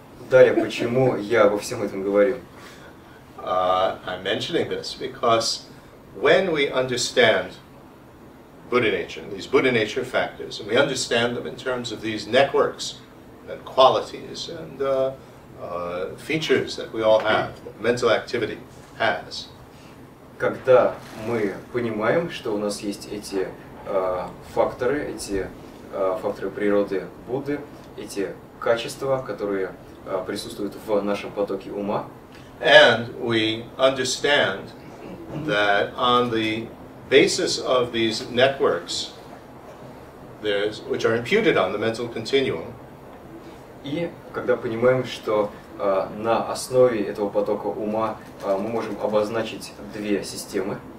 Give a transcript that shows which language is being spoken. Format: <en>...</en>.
<ru>Далее, почему я обо всем этом говорю?</ru> <en>I'm mentioning this because when we understand Buddha nature, these Buddha nature factors, and we understand them in terms of these networks and qualities and features that we all have, that mental activity has.</en> <ru>Когда мы понимаем, что у нас есть эти факторы, эти факторы природы Будды, эти качества, которые присутствуют в нашем потоке ума.</ru> <en>And we understand that on the basis of these networks, there's, which are imputed on the mental continuum.</en> <ru>И когда понимаем, что на основе этого потока ума мы можем обозначить две системы.</ru>